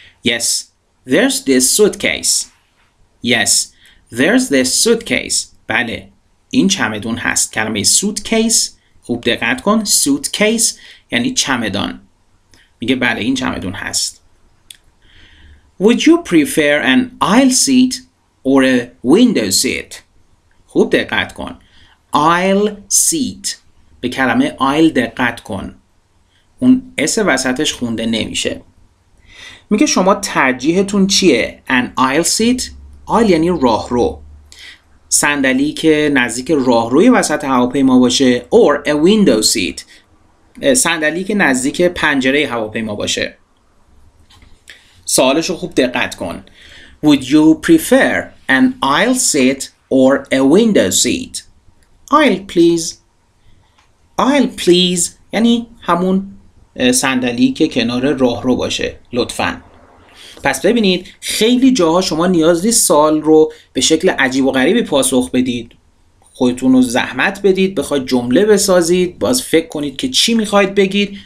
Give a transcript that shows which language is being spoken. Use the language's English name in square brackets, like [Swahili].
[English] Yes, there's this suitcase. Yes, there's this suitcase. [Persian] بله، این چمدون هست. کلمه suitcase، خوب دقت کن، suitcase یعنی چمدان. میگه بله این چمدون هست. [English] Would you prefer an aisle seat or a window seat? [Persian] خوب دقت کن. [English] Aisle seat. [Persian] به کلمه aisle دقت کن. اون اس وسطش خونده نمیشه. میگه شما ترجیحتون چیه؟ [English] An aisle seat. [Persian] Aisle یعنی راه رو. صندلی که نزدیک راه روی وسط هواپیما باشه. [English] Or a window seat. [Persian] صندلی که نزدیک پنجره هواپیما باشه. سوالشو خوب دقت کن. [English] Would you prefer an aisle seat or a window seat? Aisle please. Aisle please [Persian] یعنی همون صندلی که کنار راه رو باشه، لطفاً. پس ببینید خیلی جاها شما نیاز نیست سوال رو به شکل عجیب و غریبی پاسخ بدید. خودتون رو زحمت بدید، بخواید جمله بسازید، باز فکر کنید که چی میخواید بگید.